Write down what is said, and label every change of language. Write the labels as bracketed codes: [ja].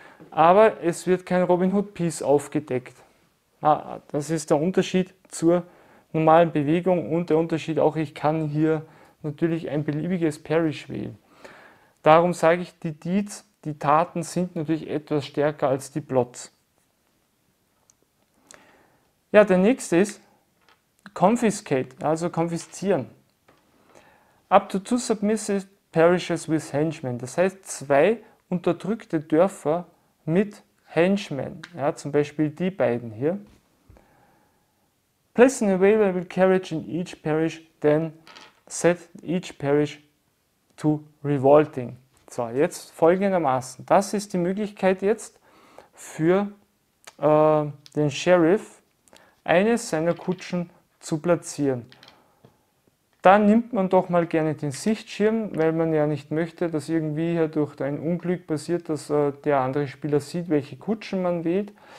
[de] Aber es wird kein Robin Hood Peace aufgedeckt. Ah, das ist der Unterschied zur normalen Bewegung und der Unterschied auch, ich kann hier natürlich ein beliebiges Parish wählen. Darum sage ich, die Deeds, die Taten sind natürlich etwas stärker als die Plots. Ja, der nächste ist Confiscate, also konfiszieren. [en] Up to two submissive parishes with henchmen. [de] Das heißt, zwei unterdrückte Dörfer mit Henchmen. Ja, zum Beispiel die beiden hier. [en] Place an available carriage in each parish, then set each parish to revolting. [de] So, jetzt folgendermaßen. Das ist die Möglichkeit jetzt für den Sheriff, eines seiner Kutschen zu platzieren. Da nimmt man doch mal gerne den Sichtschirm, weil man ja nicht möchte, dass irgendwie hier durch ein Unglück passiert, dass der andere Spieler sieht, welche Kutschen man wählt.